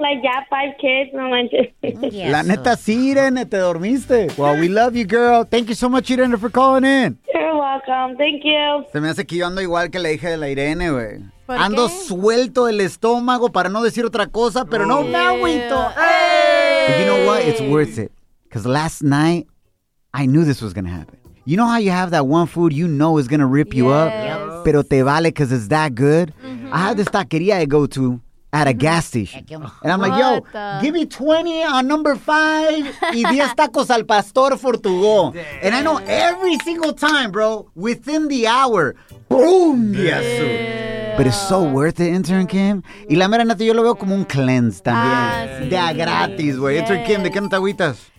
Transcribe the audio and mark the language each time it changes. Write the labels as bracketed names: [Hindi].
[English] Like, yeah, 5 kids. [Spanish] No manches. La neta, sí, Irene, te dormiste. [English] Well, we love you, girl. Thank you so much, Irene, for calling in. You're welcome. Thank you. [Spanish] Se me hace que yo ando igual que la hija de la Irene, güey. ¿Por ¿Por ando qué? Suelto el estómago para no decir otra cosa, pero no me agüito. [English] But you know what? It's worth it. Because last night, I knew this was going to happen. You know how you have that one food you know is going to rip you up? Yes. [Spanish] Pero te vale [English] because it's that good? Mm-hmm. I had this taqueria I go to at a gas station. And I'm like, yo, give me 20 on number 5 [Spanish] y 10 tacos al pastor [English] for to go. And I know every single time, bro, within the hour, boom, yes. But it's so worth it, intern Kim. [Spanish] Y la mera neta, yo lo veo como un cleanse también. Ah, sí. De a gratis, güey. Yes. Intern Kim, ¿de qué no te agüitas?